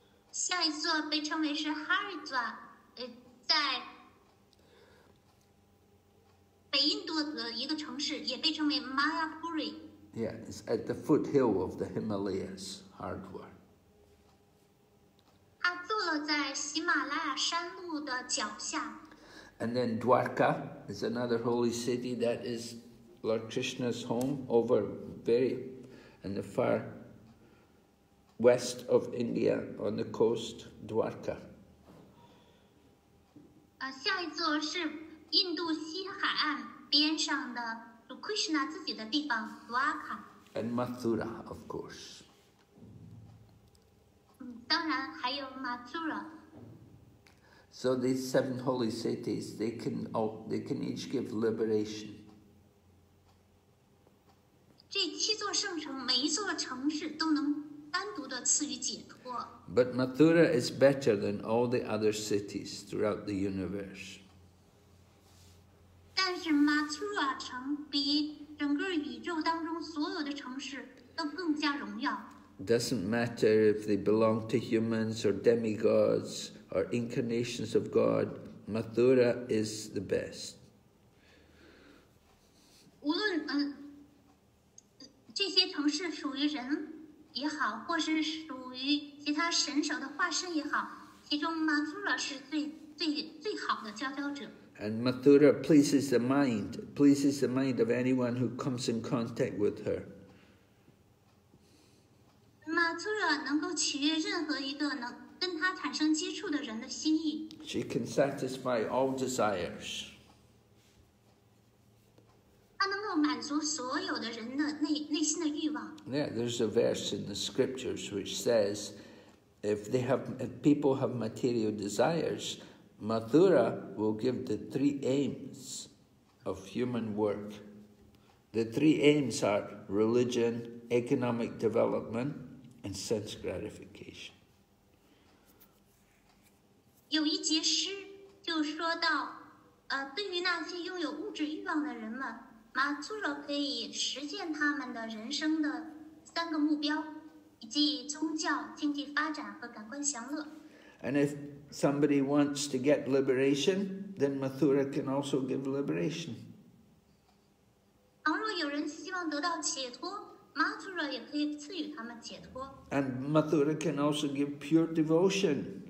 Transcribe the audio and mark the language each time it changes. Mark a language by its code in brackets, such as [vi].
[zh] 下一座被称为是 Haridwar, 在北印度的一个城市，也被称为 Mayapuri. [en] Yeah, it's at the foothill of the Himalayas, Haridwar. [zh] 它坐落在喜马拉雅山路的脚下。 [en] And then Dwarka is another holy city that is Lord Krishna's home over very in the far. West of India on the coast, Dwarka. [zh] 下一座是印度西海岸边上的 Krishna 自己的地方 Dwarka. [en] And Mathura, of course. [zh] 当然还有 Mathura. [en] So these seven holy cities, they can each give liberation. [zh] 这七座圣城，每一座城市都能单独的赐予解脱。 [en] But Mathura is better than all the other cities throughout the universe. [zh] 但是 Mathura 城比整个宇宙当中所有的城市都更加荣耀。 [en] Doesn't matter if they belong to humans or demigods or incarnations of God, Mathura is the best. [zh] 无论这些城市属于人也好，或是属于其他神兽的化身也好，其中 Mathura 是最好的佼佼者。 [en] And Mathura pleases the mind of anyone who comes in contact with her. [zh] Mathura 能够取悦任何一个能跟她产生接触的人的心意。 [en] She can satisfy all desires. [zh] 她能够满足所有的人的内心的欲望。 [en] Yeah, there's a verse in the scriptures which says, if people have material desires,Mathura will give the three aims of human work. The three aims are religion, economic development, and sense gratification. [zh] 有一节诗就说到，对于那些拥有物质欲望的人们，马祖罗可以实现他们的人生的三个目标，以及宗教、经济发展和感官享乐。 [en] And if somebody wants to get liberation, then Mathura can also give liberation. [zh] 倘若有人希望得到解脱， Mathura 也可以赐予他们解脱。 [en] And Mathura can also give pure devotion.